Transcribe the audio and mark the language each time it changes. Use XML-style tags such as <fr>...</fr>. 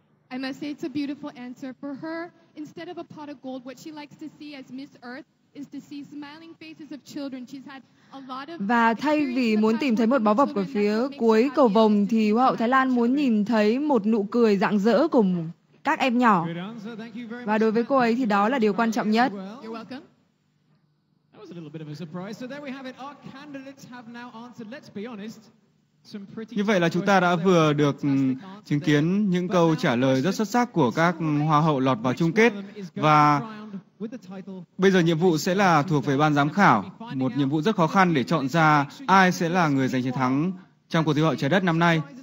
<en>I must say it's a beautiful answer for her. Instead of a pot of gold, what she likes to see as Miss Earth is to see smiling faces of children. She's had a lot of.</en> <vi>Và thay vì muốn tìm thấy một báu vật ở phía cuối cầu vồng, thì Hoa hậu Thái Lan muốn nhìn thấy một nụ cười rạng rỡ của các em nhỏ. Và đối với cô ấy thì đó là điều quan trọng nhất.</vi> <en>A little bit of a surprise. So there we have it. Our candidates have now answered. Let's be honest.</en> <vi>Như vậy là chúng ta đã vừa được chứng kiến những câu trả lời rất xuất sắc của các hoa hậu lọt vào chung kết. Và bây giờ nhiệm vụ sẽ là thuộc về ban giám khảo, một nhiệm vụ rất khó khăn để chọn ra ai sẽ là người giành chiến thắng trong cuộc thi hậu trái đất năm nay.</vi>